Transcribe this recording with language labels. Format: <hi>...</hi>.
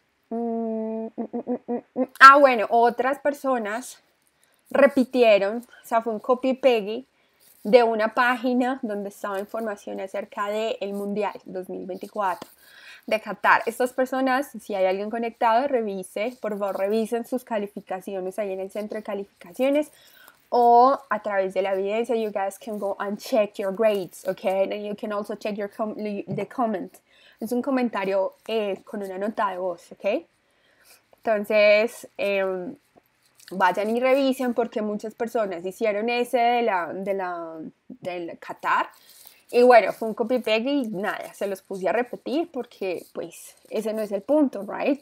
<es>Bueno, otras personas repitieron, o sea, fue un</es> <en>copy</en> <es>y pegue de una página donde estaba información acerca del Mundial 2024 de Qatar. Estas personas, si hay alguien conectado, revise, por favor, revisen sus calificaciones ahí en el centro de calificaciones</es> <en>or</en> <es>a través de la evidencia,</es> <en>you guys can go and check your grades, okay? And you can also check your the comment.</en> <es>Es un comentario con una nota de voz, okay? Entonces, vayan y revisen porque muchas personas hicieron ese del Qatar. Y bueno, fue un copy-paste y nada, se los puse a repetir porque, pues, ese no es el punto, ¿right?</es>